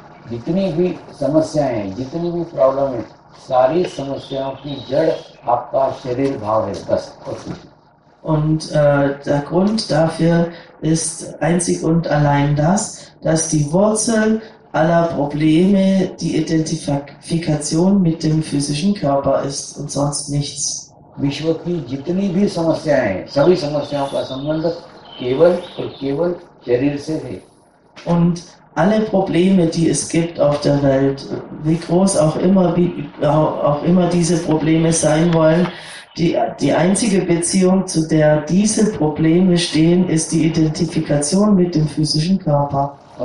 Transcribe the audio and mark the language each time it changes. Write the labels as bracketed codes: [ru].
[hi] जितनी भी समस्याएं हैं, जितनी भी प्रॉब्लम है, सारी समस्याओं की जड़ आपका शरीर भाव है, बस [de] Und der Grund dafür ist einzig und allein das, dass die Wurzel aller Probleme die Identifikation mit dem physischen Körper ist und sonst nichts. [hi] विश्व की जितनी भी समस्याएं हैं, सभी समस्याओं का संबंध केवल और केवल शरीर से है. [de] Und alle Probleme, die es gibt auf der Welt, wie groß auch immer, diese Probleme sein wollen, die einzige Beziehung, zu der diese Probleme stehen, ist die Identifikation mit dem physischen Körper.